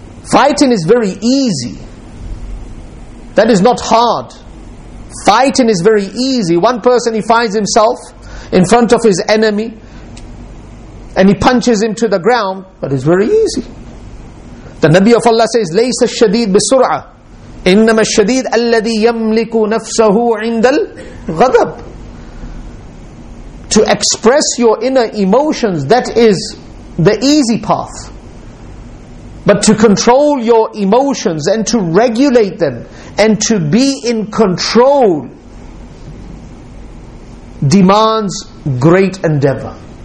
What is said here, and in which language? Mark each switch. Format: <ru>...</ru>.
<en>Fighting is very easy. That is not hard. Fighting is very easy. One person, he finds himself in front of his enemy and he punches him to the ground, but it's very easy. The Nabi of Allah says,</en> <ar>لَيْسَ الشَّدِيدُ بِسُرْعَةٍ إِنَّمَا الشَّدِيدُ الَّذِي يَمْلِكُ نَفْسَهُ عِنْدَ الْغَضَبِ.</ar> <en>To express your inner emotions, that is the easy path. But to control your emotions and to regulate them and to be in control demands great endeavor.</en>